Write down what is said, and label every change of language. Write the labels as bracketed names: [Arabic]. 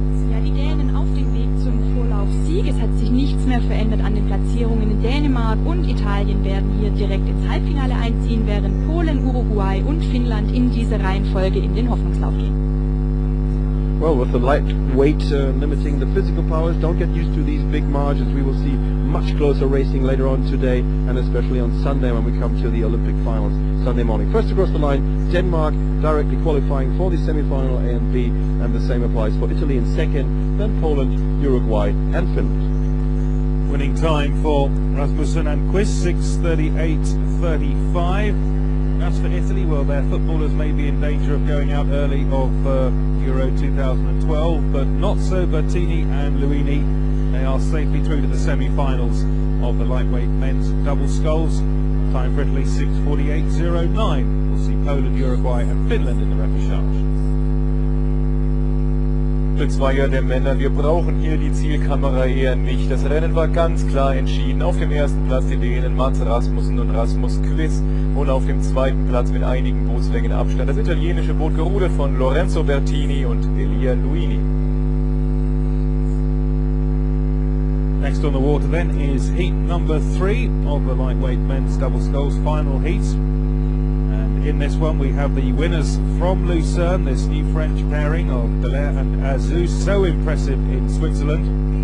[German] Ja, die Dänen auf dem Weg zum Vorlauf-Sieg. Es hat sich nichts mehr verändert an den Platzierungen. In Dänemark und Italien werden hier direkt ins Halbfinale einziehen, während Polen, Uruguay und Finnland in dieser Reihenfolge in den Hoffnungslauf gehen. [English] Well, with the light weight limiting the physical powers, don't get used to these big margins. We will see much closer racing later on today, and especially on Sunday when we come to the Olympic finals Sunday morning. First across the line, Denmark directly qualifying for the semi-final A and B, and the same applies for Italy in second, then Poland, Uruguay and Finland. Winning time for Rasmussen and Quist, 6:38.35. As for Italy, well, their footballers may be in danger of going out early of Euro 2012, but not so Bertini and Luini. They are safely through to the semi-finals of the lightweight men's double sculls. Time for Italy, 6:48.09. We'll see Poland, Uruguay and Finland in the repechage. [German] Zweier der Männer, wir brauchen hier die Zielkamera eher nicht. Das Rennen war ganz klar entschieden. Auf dem ersten Platz die Dänen Mats Rasmussen und Rasmus Quist und auf dem zweiten Platz mit einigen Bootslängen Abstand das italienische Boot gerudert von Lorenzo Bertini und Elia Luini. [English] Next on the water then is heat number 3 of the lightweight men's double sculls final heat. In this one we have the winners from Lucerne, this new French pairing of Belair and Azou, so impressive in Switzerland.